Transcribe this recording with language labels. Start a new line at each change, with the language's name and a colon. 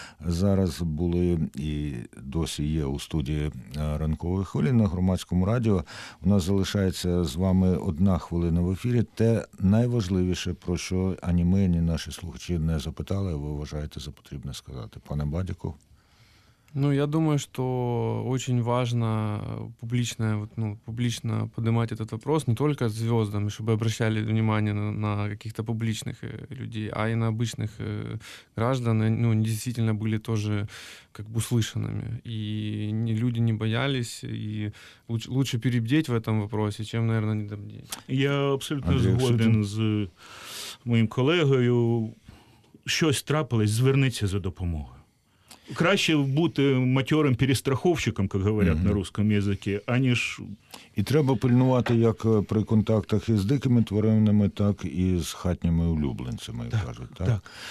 Ukrainian: Зараз були і досі є у студії «Ранкової хвилі» на громадському радіо. У нас залишається з вами одна хвилина в ефірі. Те найважливіше, про що ані ми, ані наші слухачі не запитали, ви вважаєте за потрібне сказати. Пане Бадіков.
Russian: Ну, я думаю, что очень важно публично поднимать этот вопрос не только звездам, чтобы обращали внимание на каких-то публичных людей, а и на обычных граждан, действительно были тоже как бы услышанными. И люди не боялись, и лучше перебдеть в этом вопросе, чем, наверное, не добдеть.
Ukrainian: Я абсолютно згоден с моим коллегою. Щось трапилось, зверніться за допомогою. Краще бути материм перестраховщиком, як говорять на русском язикі, аніж... І треба пильнувати як при контактах із дикими тваринами, так і з хатніми улюбленцями, як кажуть. Так.